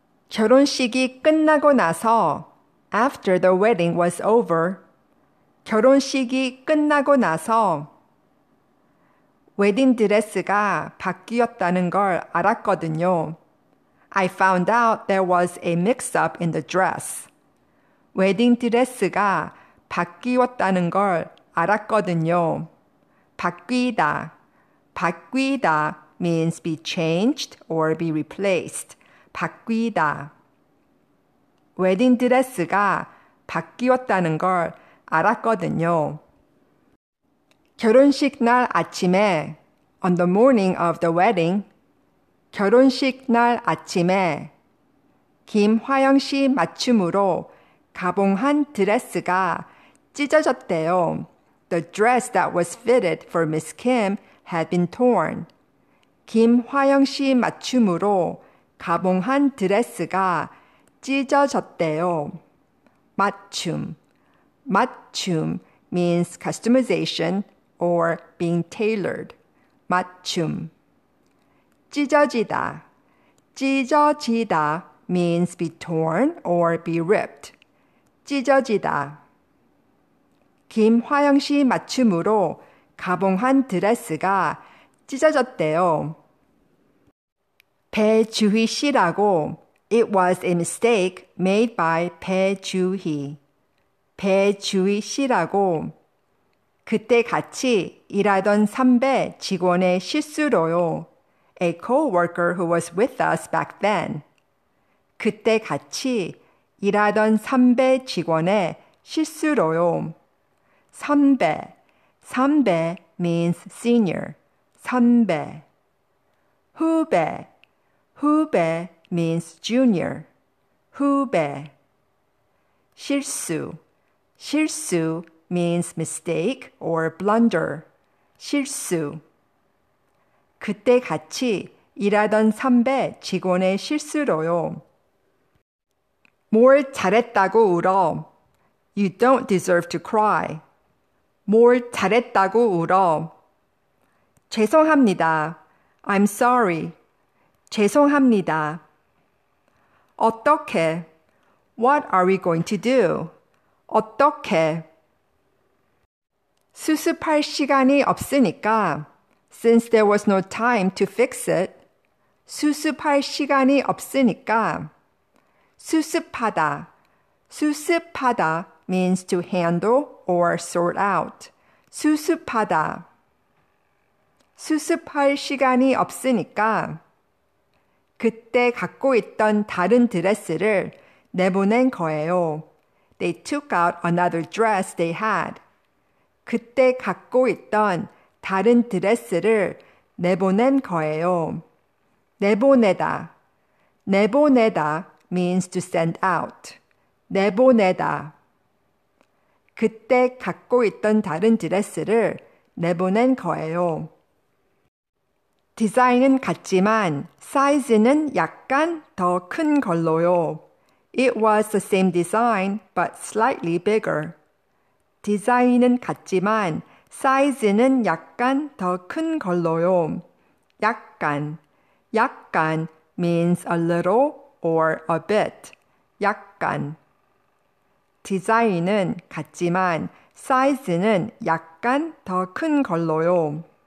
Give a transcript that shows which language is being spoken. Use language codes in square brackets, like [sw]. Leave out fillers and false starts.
[ko] 결혼식이 끝나고 나서, [en] after the wedding was over, [ko] 결혼식이 끝나고 나서, wedding dress가 바뀌었다는 걸 알았거든요. [en] I found out there was a mix-up in the dress. wedding dress가 [ko] 바뀌었다는 바뀌었다는 걸 알았거든요. 바뀌다. [en] 바뀌다 means be changed or be replaced. [ko] 바뀌다. 웨딩 드레스가 바뀌었다는 걸 알았거든요. 결혼식 날 아침에 [en] on the morning of the wedding [ko] 결혼식 날 아침에 김화영 씨 맞춤으로 가봉한 드레스가 찢어졌대요. [en] The dress that was fitted for Miss Kim had been torn. [ko] 김화영 씨 맞춤으로 가봉한 드레스가 찢어졌대요. 맞춤. [en] 맞춤 means customization or being tailored. [ko] 맞춤. 찢어지다. [en] 찢어지다 means be torn or be ripped. [ko] 찢어지다. 김화영 씨 맞춤으로 가봉한 드레스가 찢어졌대요. 배주희 씨라고 [en] It was a mistake made by 배주희. [ko] 배주희 씨라고 그때 같이 일하던 선배 직원의 실수로요. [en] A co-worker who was with us back then. [ko] 그때 같이 일하던 선배 직원의 실수로요. [en] 선배, 선배 means senior, 선배. 후배, 후배 means junior, 후배. 실수, 실수 means mistake or blunder, 실수. [ko] 그때 같이 일하던 선배 직원의 실수로요. 뭘 잘했다고 울어. [en] You don't deserve to cry. [ko] 뭘 잘했다고 울어. 죄송합니다. [en] I'm sorry. [ko] 죄송합니다. 어떻게? [en] What are we going to do? [ko] 어떻게? 수습할 시간이 없으니까 [en] Since there was no time to fix it, [ko] 수습할 시간이 없으니까 수습하다. [en] 수습하다 means to handle or sort out. [ko] 수습하다. 수습할 시간이 없으니까 그때 갖고 있던 다른 드레스를 내보낸 거예요. [en] They took out another dress they had. [ko] 그때 갖고 있던 다른 드레스를 내보낸 거예요. 내보내다. [en] 내보내다 means to send out. [ko] 내보내다. 그때 갖고 있던 다른 드레스를 내보낸 거예요. 디자인은 같지만 사이즈는 약간 더 큰 걸로요. [en] It was the same design but slightly bigger. [ko] 디자인은 같지만 사이즈는 약간 더 큰 걸로요. [en] 약간. 약간 means a little or a bit. 약간. [ko] 디자인은 같지만 사이즈는 약간 더 큰 걸로요.